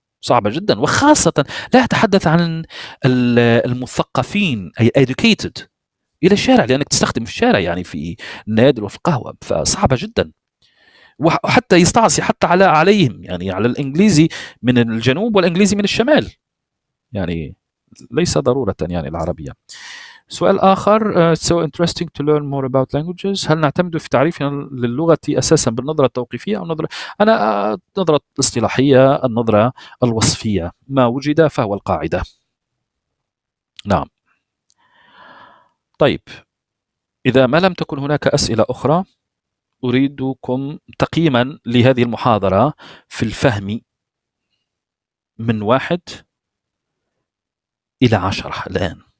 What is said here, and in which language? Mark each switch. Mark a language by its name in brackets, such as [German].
[Arabic] صعبة جدا، وخاصة لا أتحدث عن المثقفين أي educated إلى الشارع، لأنك تستخدم في الشارع يعني في نادل وفي قهوة، فصعبة جدا. وحتى يستعصي حتى على عليهم يعني على الإنجليزي من الجنوب والإنجليزي من الشمال، يعني ليس ضرورة يعني العربية. سؤال آخر، [English] so interesting to learn more about languages. [Arabic] هل نعتمد في تعريفنا للغة أساسا بالنظرة التوقيفية أو نظرة؟ أنا نظرة اصطلاحية، النظرة الوصفية، ما وجد فهو القاعدة. نعم. طيب، إذا ما لم تكن هناك أسئلة أخرى، أريدكم تقييما لهذه المحاضرة في الفهم من 1 إلى 10 الآن.